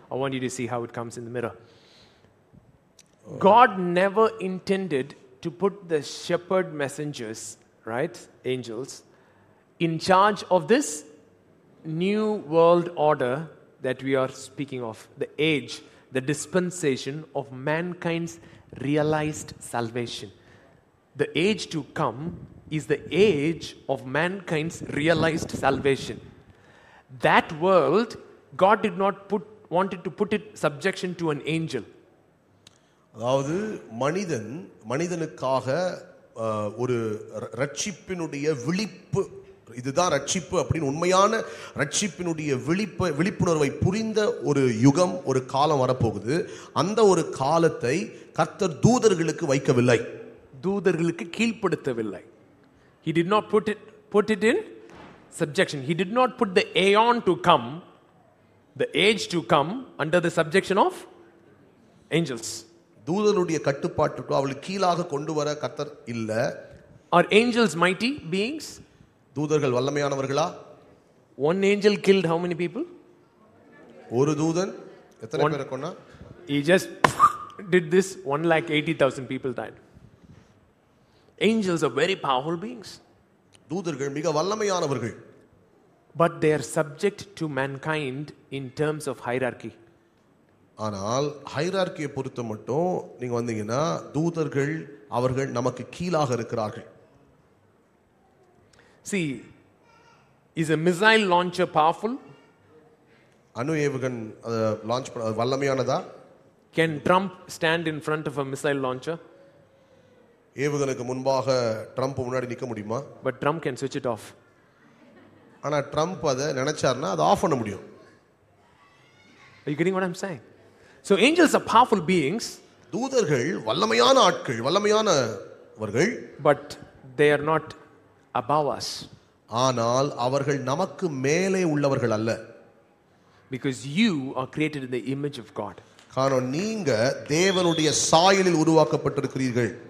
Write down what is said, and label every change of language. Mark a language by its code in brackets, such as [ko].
[en] I want you to see how it comes in the mirror. God never intended to put the shepherd messengers, right, angels, in charge of this new world order that we are speaking of, the age, the dispensation of mankind's realized salvation. The age to come is the age of mankind's realized salvation. That world, God did not put, wanted to put it subjection to an angel. [ta] அதாவது மனிதனுக்காக ஒரு ரட்சிப்பினுடைய விழிப்பு, இதுதான் ரட்சிப்பு அப்படின்னு உண்மையான ரட்சிப்பினுடைய விழிப்புணர்வை புரிந்த ஒரு யுகம், ஒரு காலம் வரப்போகுது. அந்த ஒரு காலத்தை கர்த்தர் தூதர்களுக்கு வைக்கவில்லை, தூதர்களுக்கு கீழ்ப்படுத்தவில்லை. [en] He did not put it in subjection. He did not put the aeon to come, the age to come, under the subjection of angels. [ta] தூதருடைய கட்டுப்பாட்டுக்கு அவளை கீழாக கொண்டு வர கர்த்தர் இல்ல. [en] Are angels mighty beings? [ta] தூதர்கள் வல்லமையானவர்களா? [en] One angel killed how many people? [ta] ஒரு தூதன் எத்தனை பேரை கொன்னா? [en] He just did this 180,000 people died. Angels are very powerful beings. [ta] தூதர்கள் மிக வல்லமையானவர்கள். [en] But they are subject to mankind in terms of hierarchy. [ta] ஆனால் ஹைரார்க்கியை பொறுத்த மட்டும் நீங்க வந்தீங்கன்னா தூதர்கள் அவர்கள் நமக்கு கீழாக இருக்கிறார்கள். [en] See, is a missile launcher powerful? [ta] அணு ஏவுகணை லாஞ்ச் பண்ண வல்லமையானதா? [en] Can Trump stand in front of a missile launcher? [ta] ஏவுகணைக்கு முன்பாக ட்ரம்ப் முன்னாடி நிக்க முடியுமா? [en] But Trump can switch it off. [ta] ஆனா ட்ரம்ப் அதை நினைச்சார்னா அதை ஆஃப் பண்ண முடியும். [en] Are you getting what I'm saying? So angels are powerful beings. [ta] தூதர்கள் வல்லமையான ஆட்கள், வல்லமையானவர்கள். [en] But they are not above us. [ta] ஆனால் அவர்கள் நமக்கு மேலே உள்ளவர்கள் அல்ல. [en] Because you are created in the image of God. [ta] காரணம் நீங்க தேவனுடைய சாயலில் உருவாக்கப்பட்டிருக்கிறீர்கள்.